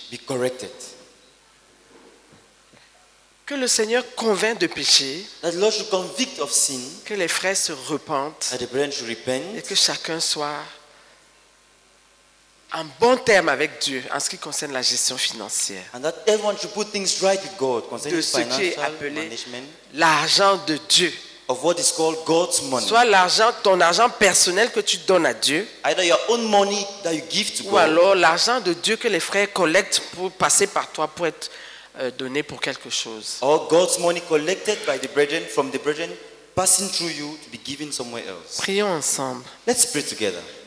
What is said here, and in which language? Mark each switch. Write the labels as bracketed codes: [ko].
[en] Be corrected. [fr] Que le Seigneur convainc de péché, [en] that the Lord should convict of sin, [fr] que les frères se repentent, [en] that the brethren should repent, [fr] et que chacun soit en bon terme avec Dieu en ce qui concerne la gestion financière. [en] And that everyone should put things right with God concerning [fr] de ce [en] financial [fr] qui est appelé [en] management, [fr] l'argent de Dieu. [en] Of what is called God's money. [fr] Soit l'argent, ton argent personnel que tu donnes à Dieu. [en] Either your own money that you give to [fr] ou [en] God, [fr] alors l'argent de Dieu que les frères collectent pour passer par toi pour être donné pour quelque chose. [en] Or God's money collected by the brethren, from the brethren, passing through you to be given somewhere else. [fr] Prions ensemble. [en] Let's pray together.